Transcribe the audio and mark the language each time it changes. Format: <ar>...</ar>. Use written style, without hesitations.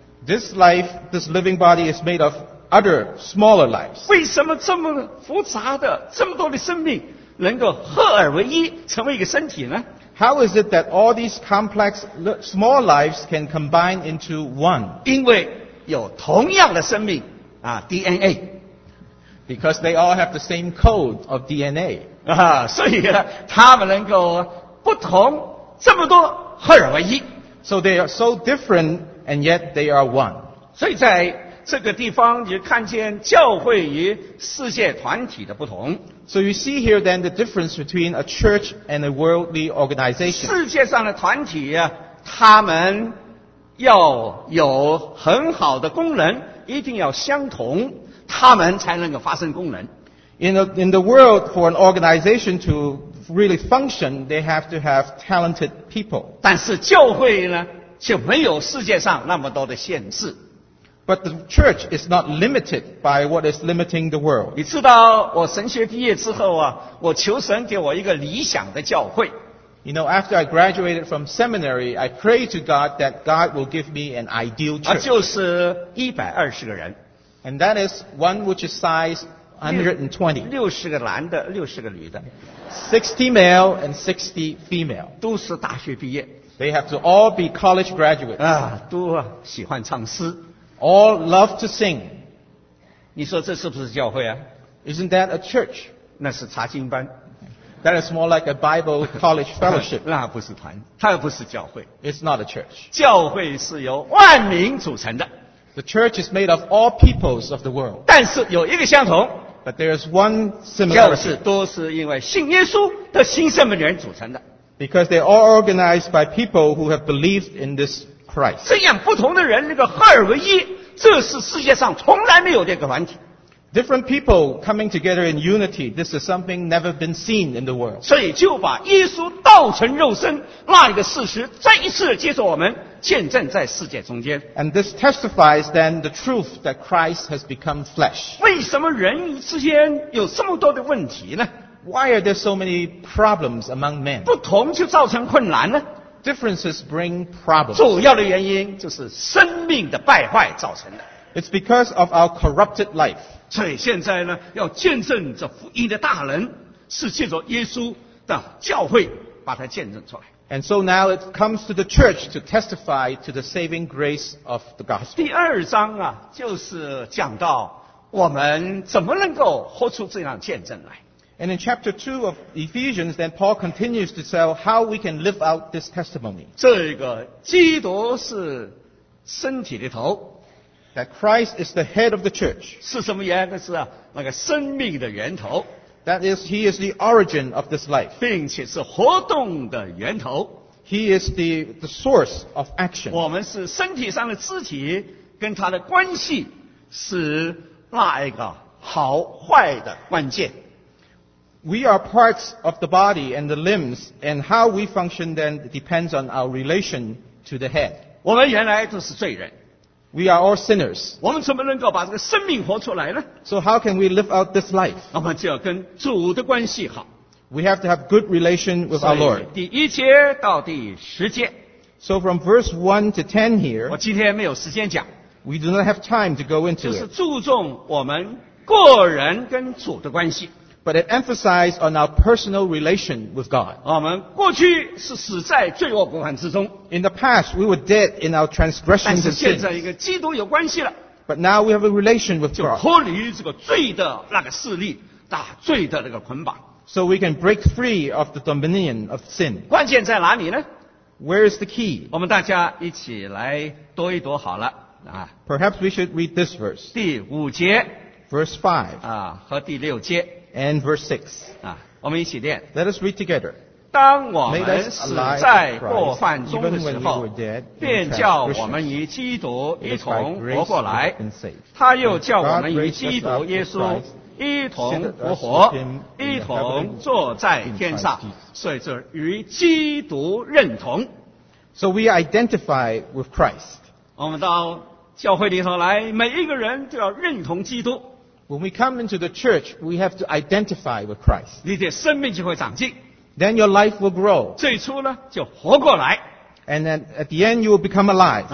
<en>This life, this living body is made of other smaller lives.</en> <zh>为什么这么复杂的，这么多的生命能够合而为一，成为一个身体呢？</zh> <en>How is it that all these complex small lives can combine into one?</en> <zh>因为有同样的生命啊 ，DNA。</zh> <en>Because they all have the same code of DNA.</en> <zh>啊，所以呢，他们能够不同这么多合而为一。</zh> <en>So they are so different, and yet they are one.</en> <zh>所以在这个地方也看见教会与世界团体的不同。</zh> <en>So you see here then the difference between a church and a worldly organization.</en> <zh>世界上的团体啊，他们要有很好的功能，一定要相同，他们才能够发生功能。</zh> <en>In the world, for an organization to really function, they have to have talented people.</en> <zh>但是教会呢，就没有世界上那么多的限制。</zh> <en>But the church is not limited by what is limiting the world.</en> <zh>你知道我神学毕业之后啊，我求神给我一个理想的教会。</zh> <en>You know, after I graduated from seminary, I prayed to God that God will give me an ideal church.</en> <zh>就是120个人。</zh> <en>And that is one which is size 120.</en> <zh>60个男的，60个女的。</zh> <en>60 male and 60 female.</en> <zh>都是大学毕业。</zh> <en>They have to all be college graduates.</en> <zh>啊，都喜欢唱诗。</zh> <en>All love to sing.</en> <zh>你说这是不是教会啊？</zh> <en>Isn't that a church?</en> <zh>那是查经班。</zh> <en>That is more like a Bible college fellowship.</en> <zh>那不是团，它不是教会。</zh> <en>It's not a church.</en> <zh>教会是由万民组成的。</zh> <en>The church is made of all peoples of the world.</en> <zh>但是有一个相同。</zh> <en>But there is one similarity.</en> <zh>就是都是因为信耶稣的新生命的人组成的。</zh> <en>Because they are organized by people who have believed in this Christ.</en> <zh>这样不同的人那个合而为一，这是世界上从来没有的一个团体。</zh> <en>Different people coming together in unity, this is something never been seen in the world.</en> <zh>所以就把耶稣道成肉身那一个事实再一次接受我们，见证在世界中间。</zh> <en>And this testifies then the truth that Christ has become flesh.</en> <zh>为什么人之间有这么多的问题呢？</zh> <en>Why are there so many problems among men?</en> <zh>不同就造成困难呢？</zh> <en>Differences bring problems.</en> <zh>主要的原因就是生命的败坏造成的。</zh> <en>It's because of our corrupted life.</en> <zh>所以现在呢，要见证这福音的大能，是借着耶稣的教会把它见证出来。</zh> <en>And so now it comes to the church to testify to the saving grace of the gospel.</en> <zh>第二章啊，就是讲到我们怎么能够活出这样见证来。</zh> <en>And in chapter 2 of Ephesians, then Paul continues to tell how we can live out this testimony.</en> <zh>这个基督是身体的头。</zh> <en>That Christ is the head of the church.</en> <zh>是什么原因？是啊，那个生命的源头。</zh> <en>That is, he is the origin of this life.</en> <zh>并且是活动的源头。</zh> <en>He is the source of action.</en> <zh>我们是身体上的肢体，跟他的关系是那一个好坏的关键。</zh> <en>We are parts of the body and the limbs, and how we function then depends on our relation to the head.</en> <zh>我们原来都是罪人。</zh> <en>We are all sinners.</en> <zh>我们怎么能够把这个生命活出来呢？</zh> <en>So how can we live out this life?</en> <zh>我们就要跟主的关系好。</zh> <en>We have to have good relation with our Lord.</en> <zh>第一节到第十节。</zh> <en>So from verse 1 to 10 here.</en> <zh>我今天没有时间讲。</zh> <en>We do not have time to go into it.</en> <zh>就是注重我们个人跟主的关系。</zh> <en>But it emphasizes on our personal relation with God.</en> <zh>我们过去是死在罪恶过犯之中。</zh> <en>In the past, we were dead in our transgressions and sins.</en> <zh>但是现在一个基督有关系了。</zh> <en>But now we have a relation with God.</en> <zh>就脱离这个罪的那个势力，打罪的那个捆绑。</zh> <en>So we can break free of the dominion of sin.</en> <zh>关键在哪里呢？</zh> <en>Where is the key?</en> <zh>我们大家一起来读一读好了。</zh> <en>Perhaps we should read this verse.</en> <zh>第五节。</zh> <en>Verse 5.</en> <zh>啊，和第六节。</zh> <en>And verse 6.</en> <zh>啊，我们一起念。</zh> <en>Let us read together.</en> <zh>当我们死在过犯中的时候，便叫我们与基督一同活过来。他又叫我们与基督耶稣一同复活，一同坐在天上。所以这与基督认同。</zh> <en>So we identify with Christ.</en> <zh>我们到教会里头来，每一个人都要认同基督。</zh> <en>When we come into the church, we have to identify with Christ.</en> <zh>你的生命就会长进。</zh> <en>Then your life will grow.</en> <zh>最初呢，就活过来。</zh> <en>And then at the end, you will become alive.</en>